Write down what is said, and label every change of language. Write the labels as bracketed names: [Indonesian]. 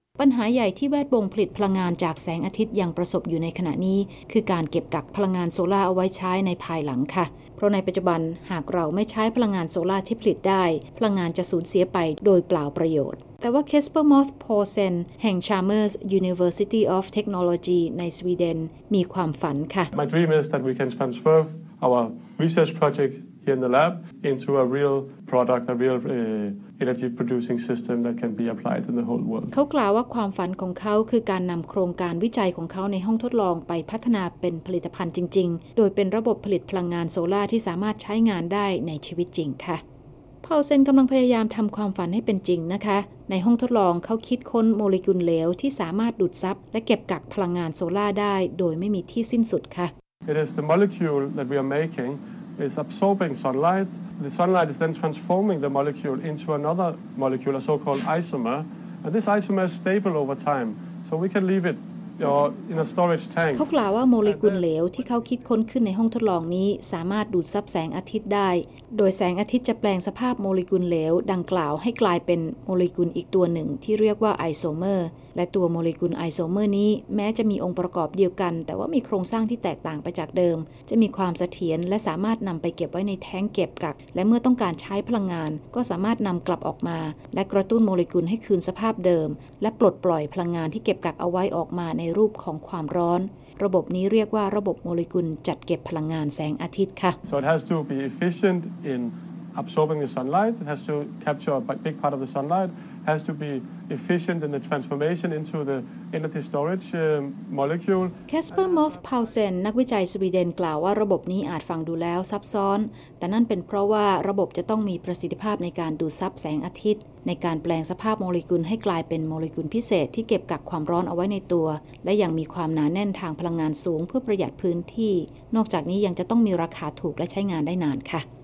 [Thai] ปัญหาใหญ่ที่แวดวงผลิตพลังงานจากแสงอาทิตย์ยังประสบอยู่ในขณะนี้คือการเก็บกักพลังงานโซลาร์เอาไว้ใช้ในภายหลังค่ะเพราะในปัจจุบันหากเราไม่ใช้พลังงานโซลาร์ที่ผลิตได้พลังงานจะสูญเสียไปโดยเปล่าประโยชน์แต่ว่า Casper Moth Poulsen แห่ง Chalmers University of Technology ในสวีเดนมีความฝันค่ะ [English] My dream is that we can transfer our research projectHere in the lab, into a real product, a real energy producing system that can be applied in the whole world. [Thai] เขากล่าวว่าความฝันของเขาคือการนำโครงการวิจัยของเขาในห้องทดลองไปพัฒนาเป็นผลิตภัณฑ์จริงๆโดยเป็นระบบผลิตพลังงานโซลาร์ที่สามารถใช้งานได้ในชีวิตจริงค่ะพอลเซนกำลังพยายามทำความฝันให้เป็นจริงนะคะในห้องทดลองเขาคิดค้นโมเลกุลเหลวที่สามารถดูดซับและเก็บกักพลังงานโซลาร์ได้โดยไม่มีที่สิ้นสุดค่ะ [English] It is the molecule that we are makingIs absorbing sunlight. The sunlight is then transforming the molecule into another molecule, a so-called isomer. And this isomer is stable over time, so we can leave it, you know, in a storage tank. [Thai] เขากล่าวว่าโมเลกุลเหลวที่เขาคิดค้นขึ้นในห้องทดลองนี้สามารถดูดซับแสงอาทิตย์ได้โดยแสงอาทิตย์จะแปลงสภาพโมเลกุลเหลวดังกล่าวให้กลายเป็นโมเลกุลอีกตัวหนึ่งที่เรียกว่าไอโซเมอร์และตัวโมเลกุลไอโซเมอร์นี้แม้จะมีองค์ประกอบเดียวกันแต่ว่ามีโครงสร้างที่แตกต่างไปจากเดิมจะมีความเสถียรและสามารถนำไปเก็บไว้ในแท้งเก็บกักและเมื่อต้องการใช้พลังงานก็สามารถนำกลับออกมา และกระตุ้นโมเลกุลให้คืนสภาพเดิมและปลดปล่อยพลังงานที่เก็บกักเอาไว้ออกมาในรูปของความร้อนระบบนี้เรียกว่าระบบโมเลกุลจัดเก็บพลังงานแสงอาทิตย์ค่ะ [English] So it has to be efficient in absorbing the sunlight it has to capture a big part of the sunlightHas to be efficient in the transformation into the energy storage molecule. [Thai] Casper Moth Poulsen, นักวิจัยสวีเดนกล่าวว่าระบบนี้อาจฟังดูแล้วซับซ้อนแต่นั่นเป็นเพราะว่าระบบจะต้องมีประสิทธิภาพในการดูดซับแสงอาทิตย์ในการแปลงสภาพโมเลกุลให้กลายเป็นโมเลกุลพิเศษที่เก็บกักความร้อนเอาไว้ในตัวและยังมีความหนาแน่นทางพลังงานสูงเพื่อประหยัดพื้นที่นอกจากนี้ยังจะต้องมีราคาถูกและใช้งานได้นานค่ะ